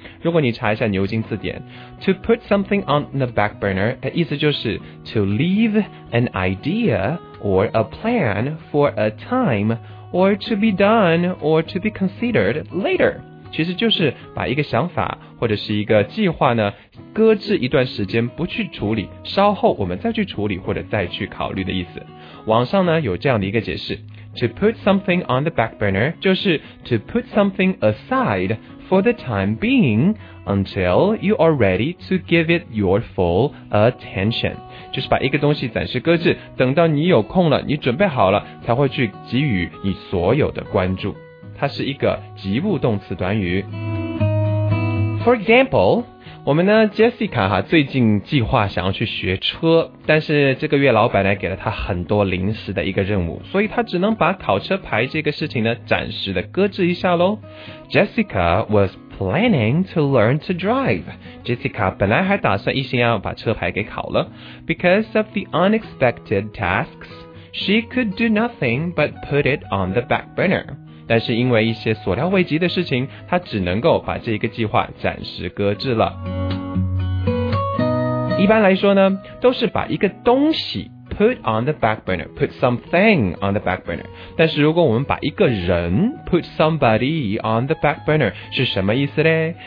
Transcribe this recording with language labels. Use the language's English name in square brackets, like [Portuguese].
[Chinese] 如果你查一下牛津字典， [English] to put something on the back burner [Chinese] 的意思就是 [English] to leave an ideaor a plan for a time, or to be done, or to be considered later. [Chinese] 其实就是把一个想法或者是一个计划呢，搁置一段时间不去处理，稍后我们再去处理或者再去考虑的意思。网上呢有这样的一个解释， [English] To put something on the back burner [Chinese] 就是 [English] to put something aside for the time being until you are ready to give it your full attention. [Chinese] 就是把一个东西暂时搁置，等到你有空了，你准备好了，才会去给予你所有的关注。它是一个及物动词短语。 [English] For example, [Chinese] 我们呢 Jessica 哈，最近计划想要去学车，但是这个月老板呢给了他很多临时的一个任务，所以他只能把考车牌这个事情呢暂时的搁置一下咯。 [English] Jessica was planning to learn to drive. [Chinese] Jessica 本来还打算一心要把车牌给考了。 [English] Because of the unexpected tasks, she could do nothing but put it on the back burner. [Chinese] 但是因为一些所料未及的事情，她只能够把这个计划暂时搁置了。一般来说呢，都是把一个东西 [English] put on the back burner, put something on the back burner. [Chinese] 但是如果我们把一个人 [English] put somebody on the back burner [Chinese] 是什么意思呢？